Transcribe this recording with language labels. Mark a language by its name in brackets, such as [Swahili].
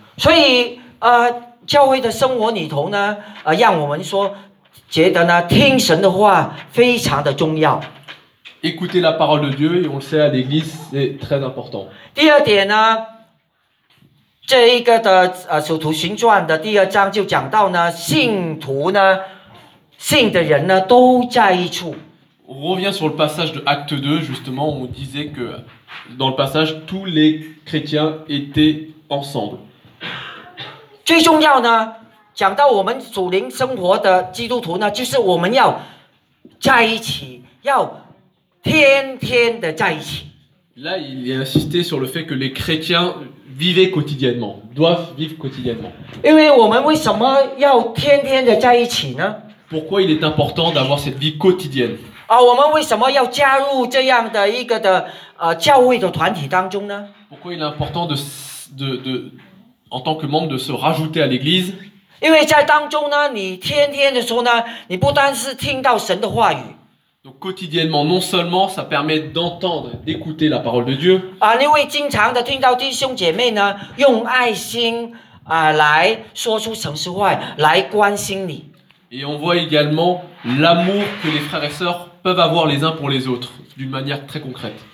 [Chinese] 所以呃教会的生活里头呢呃让我们说觉得呢听神的话非常的重要。 [French] Écouter la parole de Dieu, et on le sait à l'église, c'est très important. [Chinese] 第二点呢这一个的呃使徒行传的第二章就讲到呢信徒呢信的人呢都在一处。 [French] On revient sur le passage de Acte 2, justement, où on disait que dans le passage, tous les chrétiens étaient ensemble. [Chinese] 最重要呢讲到我们属灵生活的基督徒呢就是我们要在一起要天天的在一起。 [French] Là, il est insisté sur le fait que les chrétiens vivent quotidiennement, doivent vivre quotidiennement. [Chinese] 因为我们为什么要天天的在一起呢 [French] Pourquoi il est important d'avoir cette vie quotidienne? [Chinese] 啊、我们为什么要加入这样的一个的、教会的团体当中呢 [French] Pourquoi il est important de, en tant que membre de se rajouter à l'église? [Chinese] 因为在当中呢你天天的时候呢你不单是听到神的话语。 [French] Donc quotidiennement, non seulement ça permet d'entendre, d'écouter la parole de Dieu. [Chinese] 啊、你会经常的听到弟兄姐妹呢用爱心、来说出诚实话来关心你。 [French] Et on voit également l'amour que les frères et sœurs peuvent avoir les uns pour les autres, d'une manière très concrète.